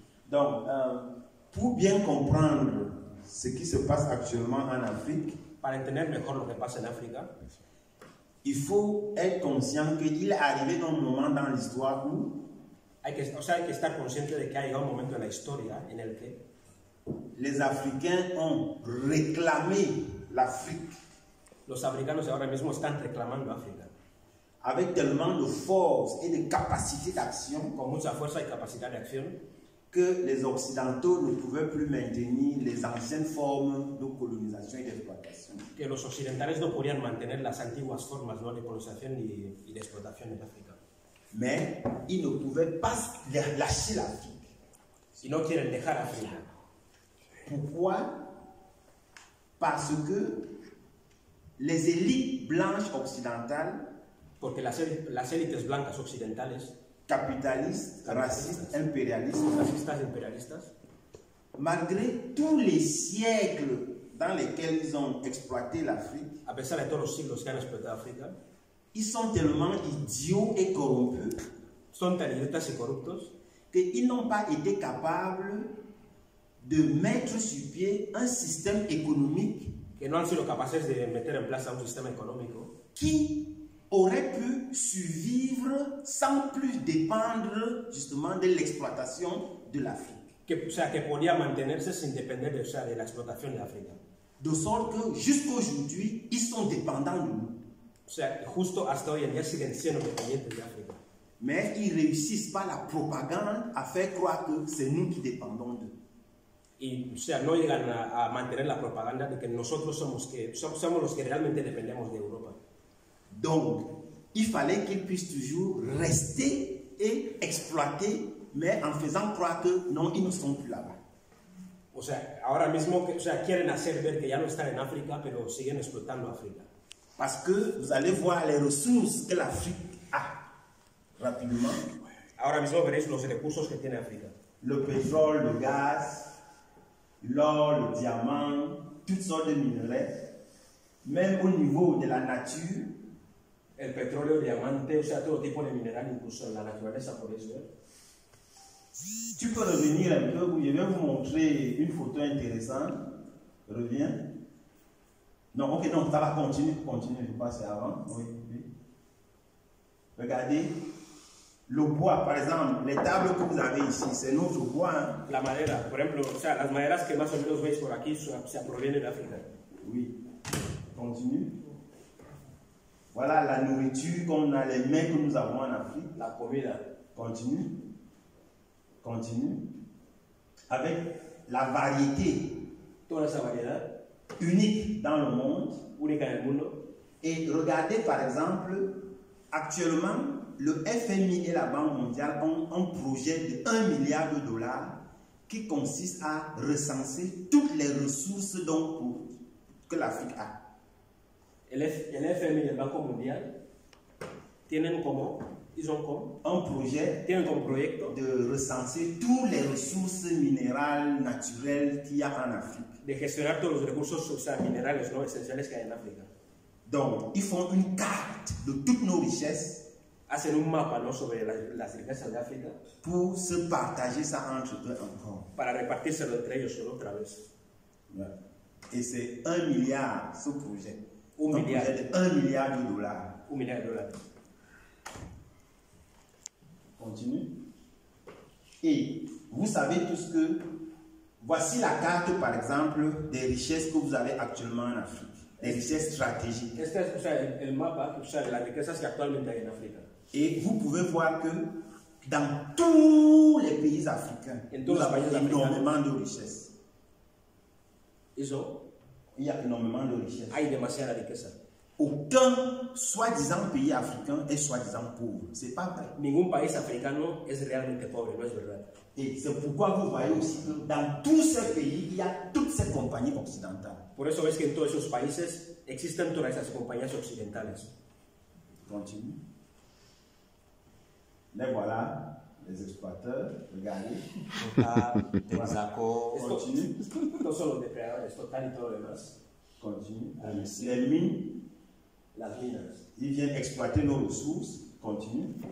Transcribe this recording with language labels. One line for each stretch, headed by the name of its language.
French: Donc, pour bien comprendre ce qui se passe actuellement en Afrique.
Spanish: Para entender mejor lo que pasa en África,
French: il faut être conscient qu'il est arrivé un moment dans l'histoire où
Spanish: hay que estar consciente de que ha llegado un momento en la historia en el que
French: les Africains ont réclamé l'Afrique.
Spanish: Los africanos ahora mismo están reclamando África.
French: Avec tellement de force et de capacité d'action,
Spanish: con mucha fuerza y capacidad de acción,
French: que les Occidentaux ne pouvaient plus maintenir les anciennes formes de colonisation et d'exploitation.
Spanish: Que los occidentales no podían mantener las antiguas formas, ¿no?, de colonización y de explotación en África.
French: Mais ils ne pouvaient pas lâcher l'Afrique.
Spanish: Si no quieren dejar África.
French: Pourquoi? Parce que les élites blanches occidentales,
Spanish: porque las élites blancas occidentales,
French: capitalistes, racistes, impérialistes, racistes, impérialistes, malgré tous les siècles dans lesquels ils ont exploité l'Afrique,
Spanish: a pesar de todos los siglos que han explotado África,
French: ils sont tellement idiots et corrompus,
Spanish: son tan idiotas y corruptos,
French: que ils n'ont pas été capables de mettre sur pied un système économique,
Spanish: que no han sido capaces de meter en place un sistema económico,
French: qui aurait pu survivre sans plus dépendre justement de l'exploitation de l'Afrique.
Spanish: Que, o sea, que podía mantenerse sin depender de, o sea, de la explotación de África.
French: De sorte que jusqu'à aujourd'hui, ils sont dépendants de nous.
Spanish: O sea, justo hasta hoy en día siguen siendo dependientes de África.
French: Mais ils réussissent par la propagande à faire croire que c'est nous qui dépendons d'eux.
Spanish: Y o sea, no llegan a mantener la propaganda de que nosotros somos que somos los que realmente dependemos de Europa.
French: Donc, il fallait qu'ils puissent toujours rester et exploiter, mais en faisant croire que non, ils ne sont plus là-bas.
Spanish: O sea, ahora mismo, o sea, quieren hacer ver que ya no están en África, pero siguen explotando África.
French: Parce que vous allez voir les ressources que l'Afrique a rapidement.
Spanish: Ahora mismo veréis los recursos que tiene África.
French: Le pétrole, le gaz, l'or, le diamant, toutes sortes de minerais, même au niveau de la nature.
Spanish: El petróleo, el diamante, o sea, todo tipo de mineral, incluso la naturaleza, por eso.
French: Tu peux revenir un peu, je vais vous montrer une photo intéressante. Reviens. Non, ok, non, ça va continuer, je passe avant. Oui, oui. Regardez. Le bois, par exemple, les tables que vous avez ici, c'est notre bois.
Spanish: La madera, por ejemplo, o sea, las maderas que más o menos veis por aquí, se provienen de África.
French: Oui. Continue. Voilà la nourriture qu'on a, les mains que nous avons en Afrique.
Spanish: La comida.
French: Continue. Continue. Avec la variété.
Spanish: Toda esa variedad.
French: Unique dans le monde.
Spanish: Única en el mundo.
French: Et regardez, par exemple, actuellement, le FMI et la Banque mondiale ont un projet de 1 milliard de dollars qui consiste à recenser toutes les ressources dont que l'Afrique a. El FMI et la Banque mondiale
Spanish: tienen como,
French: ils ont comme un projet,
Spanish: tienen como proyecto
French: de recenser toutes les ressources minérales naturelles qu'il y a en Afrique.
Spanish: De gestionar todos los recursos, o sea, minerales no esenciales que hay en África.
French: Donc, ils font une carte de toutes nos richesses.
Spanish: Hacer un mapa, ¿no?, sobre las riquezas de África.
French: Pour se partager ça entre eux encore.
Spanish: Para repartírselo entre ellos solo otra vez.
French: Ouais. Et c'est 1 milliard ce projet. Un milliard. Projet de 1 milliard de dollars. 1 milliard de dollars. Continue. Et vous savez tous que voici la carte, par exemple, des richesses que vous avez actuellement en Afrique. Des richesses stratégiques.
Spanish: Este es, o sea, el mapa, o sea, de las riquezas que actualmente hay en África.
French: Et vous pouvez voir que dans tous les pays africains, nous avons énormément de richesses.
Spanish: Eso,
French: il y a énormément de richesses.
Spanish: Hay demasiada riqueza.
French: Aucun soi-disant pays africain est soi-disant pauvre. C'est pas vrai.
Spanish: Ningún país africano es realmente pobre, no es verdad.
French: Et c'est pourquoi vous voyez aussi que dans tous ces pays, il y a toutes ces compagnies occidentales.
Spanish: Por eso ves que en todos esos países existen todas esas compañías occidentales.
French: Continue. Mais voilà, les exploiteurs, regardez. Les accords, continue. Non seulement les pères, les total et tout le reste. Continue. Les mines. Les mines. Ils viennent exploiter nos ressources, continue.